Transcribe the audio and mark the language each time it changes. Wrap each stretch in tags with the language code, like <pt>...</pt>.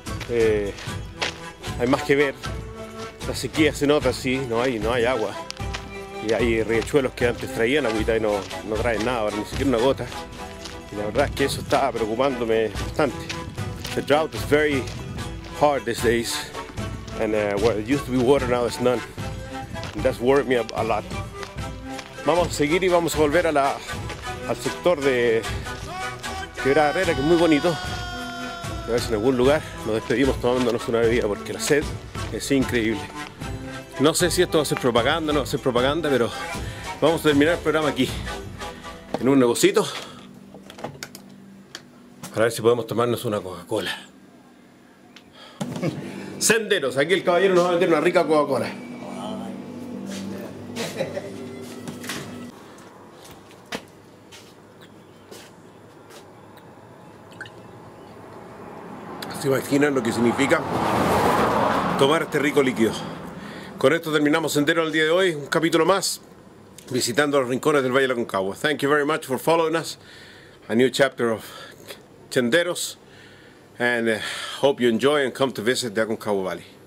<es>Hay más que ver. La sequía se nota, sí, no hay agua. Y hay riachuelos que antes traían agüita y no traen nada, ahora ni siquiera una gota. Y la verdad es que eso está preocupándome bastante.</es> <en>The drought is very hard these days. And where it used to be water, now it's none. And that's worried me a lot.</en> <es>Vamos a seguir y vamos a volver al sector de Quebrada Herrera, que es muy bonito. A ver si en algún lugar nos despedimos tomándonos una bebida, porque la sed es increíble. No sé si esto va a ser propaganda o no va a ser propaganda, pero vamos a terminar el programa aquí, en un negocito, para ver si podemos tomarnos una Coca-Cola. Senderos, aquí el caballero nos va a vender una rica Coca-Cola. ¿Se imaginan lo que significa tomar este rico líquido? Con esto terminamos Sendero el día de hoy, un capítulo más visitando los rincones del Valle de Aconcagua.</es> <en>Thank you very much for following us. A new chapter of Senderos, and hope you enjoy and come to visit the Aconcagua Valley.</en>